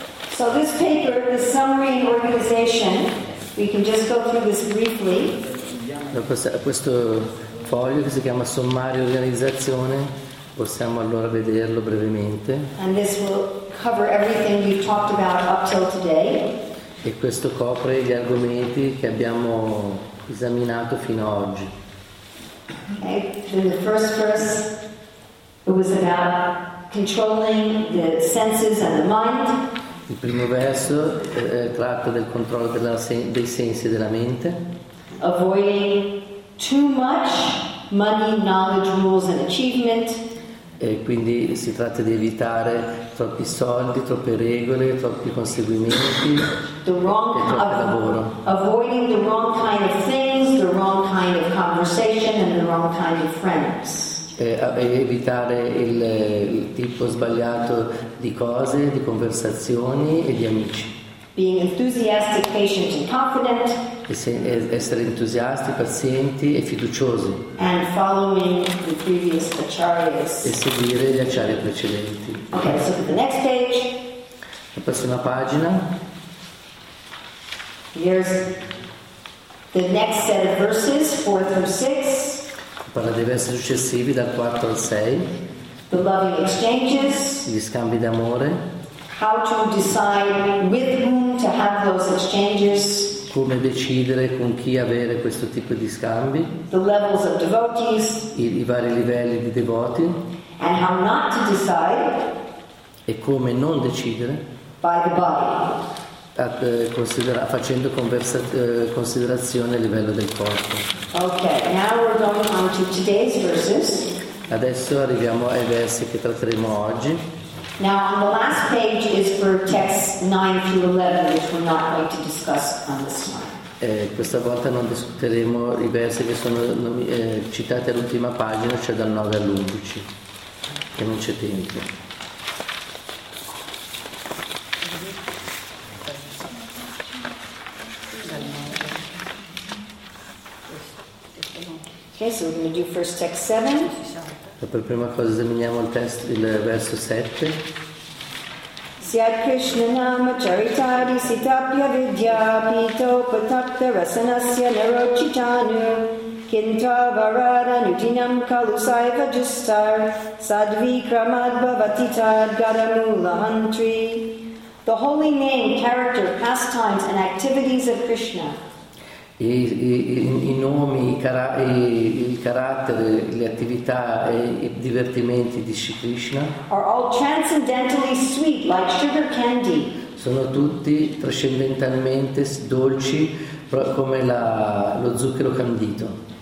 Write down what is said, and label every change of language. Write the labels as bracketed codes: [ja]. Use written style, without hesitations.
[en] So this paper, the summary and organization, we can just go through this briefly. [it] Questo foglio che si chiama sommario organizzazione, possiamo allora vederlo brevemente. [en] And this will cover everything we've talked about up till today. [it] E questo copre gli argomenti che abbiamo esaminato fino ad oggi. [en] Okay. In the first verse, it was about controlling the senses and the mind. [it] Il primo verso tratta del controllo dei sensi e della mente. [en] Avoiding too much money, knowledge, rules and achievement. [it] E quindi si tratta di evitare troppi soldi, troppe regole, troppi conseguimenti, [en] the wrong, [it] e troppo lavoro. [en] Avoiding the wrong kind of things, the wrong kind of conversation, and the wrong kind of friends. [it] E evitare il tipo sbagliato di cose, di conversazioni e di amici. [en] Being enthusiastic, patient, and confident. [it] Essere entusiasti, pazienti e fiduciosi. [en] And following the previous acharyas. [it] E seguire gli acharya precedenti. [en] Okay, so for the next page. [it] La prossima pagina. [en] Here's the next set of verses, 4 through 6. [it] Parla dei versi successivi, dal 4 al 6. [en] The loving exchanges. [it] Gli scambi d'amore. [en] How to decide with whom to have those exchanges. [it] Come decidere con chi avere questo tipo di scambi. [en] The levels of devotees. [it] I vari livelli di devoti. [en] And how not to decide. [it] E come non decidere. [en] By the body. [it] Facendo considerazione a livello del corpo. [en] Okay, now we're going on to today's verses. [it] Adesso arriviamo ai versi che tratteremo oggi. [en] Now, on the last page is for text 9 through 11, which we're not going to discuss on this one. [it] Questa volta non discuteremo i versi che sono citati all'ultima pagina, cioè dal 9 all'11, che non c'è tempo. [en] Ok, so we're going to do first text 7. [it] E per prima cosa esaminiamo il testo, il verso 7. [sa] Siat Krishna nama charitadi sitapya vidya pito patakta rasanasya narochitanu kinta varada nutinam kalu saiva justar sadvi kramad bhavatita gadamula hantri. [en] The holy name, character, pastimes and activities of Krishna. [it] I nomi, il carattere, le attività e i divertimenti di Sri Krishna [en] are all transcendentally sweet, like sugar candy. [it] Sono tutti trascendentalmente dolci come lo zucchero candito.